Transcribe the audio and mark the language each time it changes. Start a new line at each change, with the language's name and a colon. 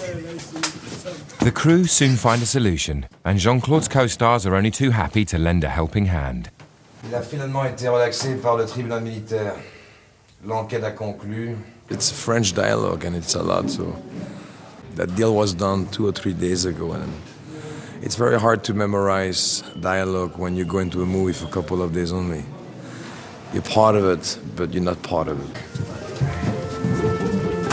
English: The crew soon find a solution, and Jean-Claude's co-stars are only too happy to lend a helping hand.
French: Il a finalement été relaxé par le tribunal militaire. L'enquête a conclu.
English: It's a French dialogue, and it's a lot, so that deal was done 2 or 3 days ago, and it's very hard to memorize dialogue when you go into a movie for a couple of days only. You're part of it, but you're not part of it.